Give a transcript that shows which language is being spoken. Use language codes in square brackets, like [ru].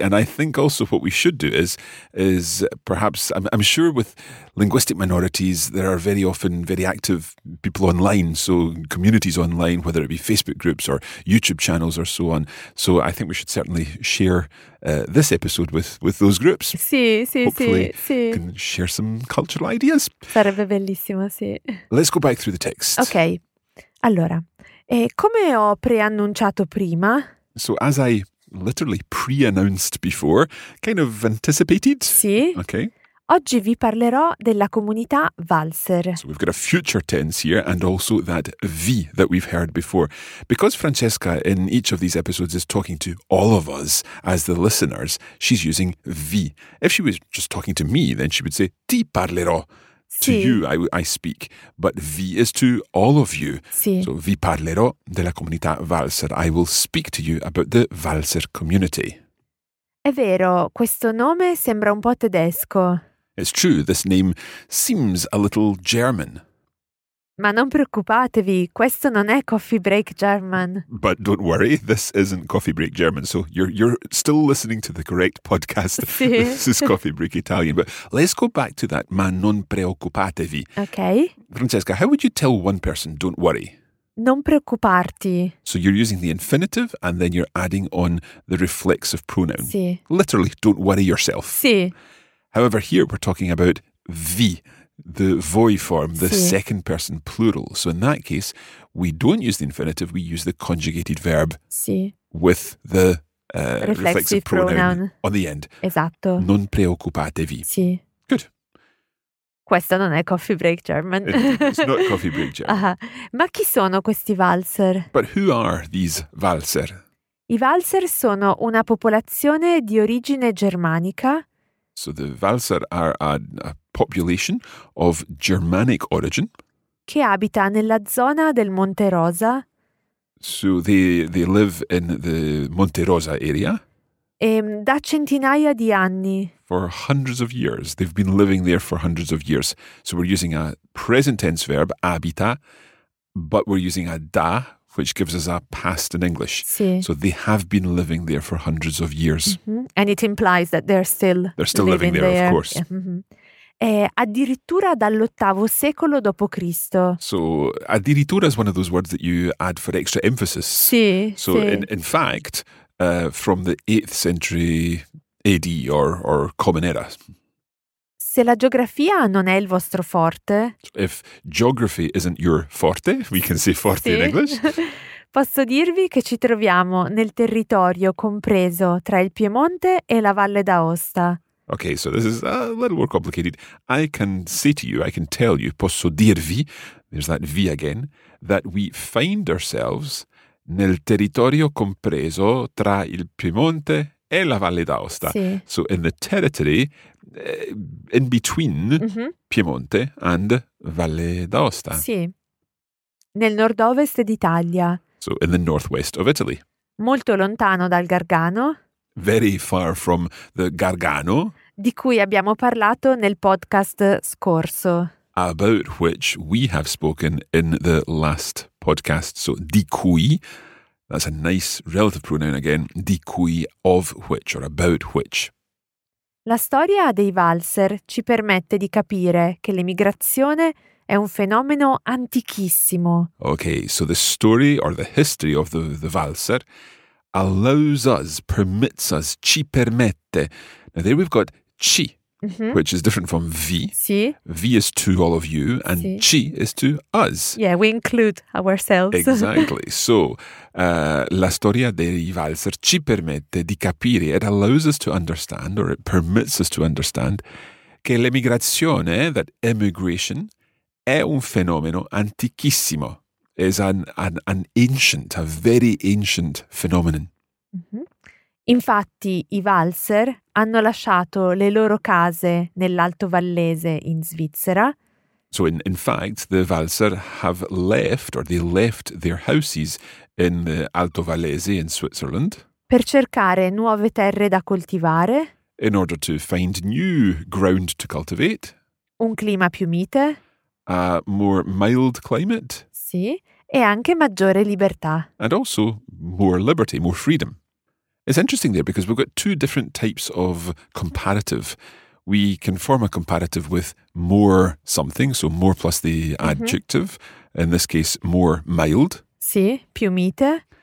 [en] And I think also what we should do is perhaps, I'm sure with linguistic minorities, there are very often very active people online, so communities online, whether it be Facebook groups or YouTube channels or so on. So I think we should certainly share this episode with those groups. [it] Sì. [en] Can share some cultural ideas. [it] Sarebbe bellissimo, sì. [en] Let's go back through the text. Ok. [it] Allora, come ho preannunciato prima... [en] So as I literally pre-announced before, kind of anticipated. [it] Sì. Ok. Oggi vi parlerò della comunità Walser. [en] So we've got a future tense here and also that V that we've heard before. Because Francesca in each of these episodes is talking to all of us as the listeners, she's using V. If she was just talking to me, then she would say, [it] ti parlerò. Sì. [en] To you, I speak. But V is to all of you. [it] Sì. So vi parlerò della comunità Walser. [en] I will speak to you about the Walser community. [it] È vero, questo nome sembra un po' tedesco. [en] It's true, this name seems a little German. [it] Ma non preoccupatevi, questo non è Coffee Break German. [en] But don't worry, this isn't Coffee Break German, so you're still listening to the correct podcast. [it] Sì. [en] This is Coffee Break Italian. But let's go back to that, [it] ma non preoccupatevi. Okay. [en] Francesca, how would you tell one person, don't worry? [it] Non preoccuparti. [en] So you're using the infinitive and then you're adding on the reflexive pronoun. [it] Sì. [en] Literally, don't worry yourself. [it] Sì. [en] However, here we're talking about vi. The voi form, the [it] sì. [en] Second person plural. So in that case, we don't use the infinitive, we use the conjugated verb [it] sì. [en] With the reflexive pronoun on the end. [it] Esatto. Non preoccupatevi. Sì. [en] Good. [it] Questo non è Coffee Break German. [en] It's not Coffee Break German. Uh-huh. [it] Ma chi sono questi valzer? [en] But who are these valzer? [it] I valzer sono una popolazione di origine germanica. [en] So the valzer are a population of Germanic origin [it] che abita nella zona del Monte Rosa. [en] So they live in the Monte Rosa area. [it] E da centinaia di anni. [en] For hundreds of years. They've been living there for hundreds of years. So we're using a present tense verb, abita, but we're using a da, which gives us a past in English. [it] Sì. [en] So they have been living there for hundreds of years. Mm-hmm. And it implies that they're still living there. Of course. Mm-hmm. [it] Addirittura dall'ottavo secolo dopo Cristo. [en] So, addirittura is one of those words that you add for extra emphasis. [it] Sì, [en] so, [it] sì. [en] In fact, from the 8th century AD or Common Era. [it] Se la geografia non è il vostro forte. [en] If geography isn't your forte, we can say forte [it] sì. [en] In English. [it] Posso dirvi che ci troviamo nel territorio compreso tra il Piemonte e la Valle d'Aosta. [en] Okay, so this is a little more complicated. I can say to you, I can tell you, [it] posso dirvi, [en] there's that vi again, that we find ourselves [it] nel territorio compreso tra il Piemonte e la Valle d'Aosta. Sì. [en] So in the territory in between mm-hmm. Piemonte and Valle d'Aosta. [it] Sì, nel nord-ovest d'Italia. [en] So in the northwest of Italy. [it] Molto lontano dal Gargano. [en] Very far from the Gargano. [it] Di cui abbiamo parlato nel podcast scorso. [en] About which we have spoken in the last podcast. So, di cui, that's a nice relative pronoun again, di cui, of which, or about which. [it] La storia dei valzer ci permette di capire che l'emigrazione è un fenomeno antichissimo. [en] Okay, so the story or the history of the valzer allows us, permits us, ci permette. Now there we've got ci, mm-hmm. which is different from vi. [it] Sì. [en] Vi is to all of you and sì. Ci is to us. Yeah, we include ourselves. Exactly. So, [it] la storia dei valzer ci permette di capire, [en] it allows us to understand or it permits us to understand [it] che l'emigrazione, [en] that emigration, [it] è un fenomeno antichissimo. [en] Is an ancient, a very ancient phenomenon. Mm-hmm. [it] Infatti, i valzer hanno lasciato le loro case nell'Alto Vallese in Svizzera. [en] So, in fact, the valzer have left, or they left their houses in the Alto Vallese in Switzerland. [it] Per cercare nuove terre da coltivare. [en] In order to find new ground to cultivate. [it] Un clima più mite. [en] A more mild climate. Sì, e anche maggiore libertà. And also more liberty, more freedom. It's interesting there because we've got two different types of comparative. We can form a comparative with more something, so more plus the mm-hmm. adjective. In this case, more mild. [it] Sì, più mite.